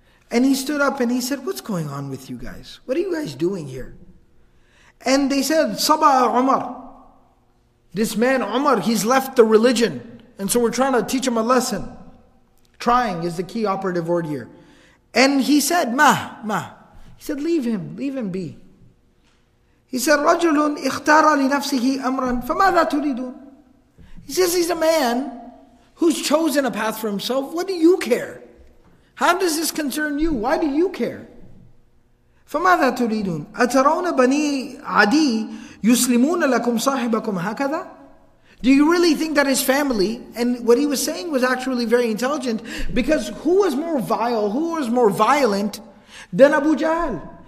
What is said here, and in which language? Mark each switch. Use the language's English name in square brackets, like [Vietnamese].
[English] And he stood up and he said, what's going on with you guys? What are you guys doing here? And they said, Saba Umar. This man Umar, he's left the religion. And so we're trying to teach him a lesson. Trying is the key operative word here. And he said, Ma. He said, leave him be. He said, [Arabic] رَجُلٌ اِخْتَارَ لِنَفْسِهِ أَمْرًا فَمَاذَا تُرِيدُونَ. [English] He says, he's a man who's chosen a path for himself. What do you care? How does this concern you? Why do you care? [Arabic] فَمَاذَا تُرِيدُونَ أَتَرَوْنَ بَنِي عَدِي يُسْلِمُونَ لَكُمْ صَاحِبَكُمْ هَكَذَا. [English] Do you really think that his family, and what he was saying was actually very intelligent, because who was more vile, who was more violent than Abu Jahl?